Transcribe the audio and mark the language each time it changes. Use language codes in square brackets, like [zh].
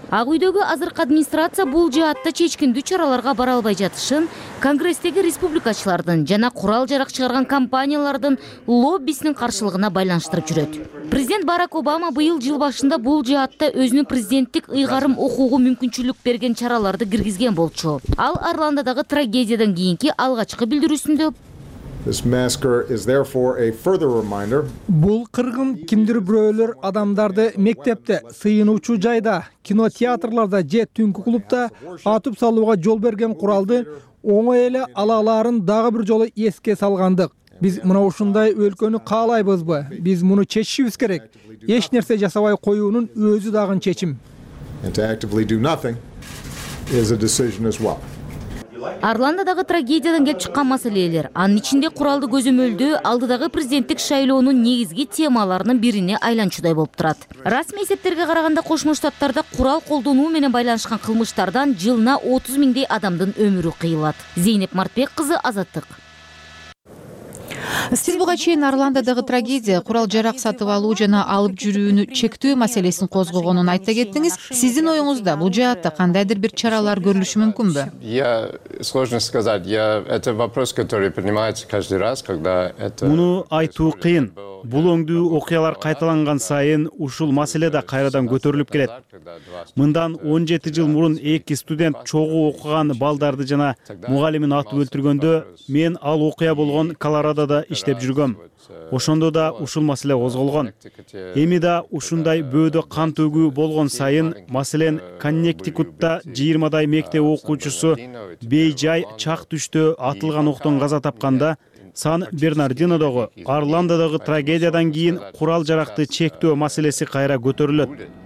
[ky] Ак үйдөгү азыркы администрация бул жаатта чечкиндүү чараларга бара албай жатышын конгресстеги республикачылардын жана курал жарак чыгарган компаниялардын лоббисинин каршылыгына байланыштырып жүрөт. Президент Барак Обама быйыл жыл башында бул жаатта өзүнүн президенттик ыйгарым укугу мүмкүнчүлүк берген чараларды киргизген болчу. Ал Ирландадагы трагедиядан кийинки алгачкы билдирүүсүндө [en] This massacre is therefore a further reminder. [ky] Бул кыргын кимдир бирөөлөр адамдарды мектепте, сыйынуучу жайда, кинотеатрларда же түнкү клубта атып салууга жол берген куралды оңой эле ала аларын дагы бир жолу эске салгандык. Биз мына ушундай өлкөнү каалайбызбы? Биз муну чечишибиз керек. Эч нерсе жасабай коюунун өзү дагы чечим. [en] To actively do nothing is a decision as well. [ky] Ирландадагы трагедиядан келип чыккан маселелер, анын ичинде куралды көзөмөлдөө алдыдагы президенттик шайлоонун негизги темаларынын бирине айланчудай болуп турат. Расмий эсептерге караганда Кошмо Штаттарда курал колдонуу менен байланышкан кылмыштардан жылына 30 миңдей адамдын өмүрү кыйылат. Зейнеп Мартбек кызы, Азаттык. Сиз буга чейин Ирландадагы трагедия, курал жарак сатып алуу жана алып жүрүүнү чектөө маселесин козгогонун айта кеттиңиз. Сиздин оюңузда бул жаатта кандайдыр бир чаралар көрүлүшү мүмкүнбү? [ru] Я сложно сказать. Я это вопрос, который поднимается каждый раз, когда это [ky] Муну айтуу кыйын. Бул өңдүү окуялар кайталанган сайын ушул маселе да кайрадан көтөрүлүп келет. Мындан 17 жыл мурун эки студент чогуу окуган балдарды жана мугалимин атып өлтүргөндө мен ал окуя болгон Колорадодо иштеп жүргөм. Ошондо да ушул маселе козголгон. Эми да ушундай бөөдө кан төгүү болгон сайын, маселен, Коннектикутта 20 мектеп окуучусу бейжай чак түштө атылган октон каза тапканда Сан-Бернардинодогу Ирландадагы трагедиядан кийин курал жаракты чектөө маселеси кайра көтөрүлөт.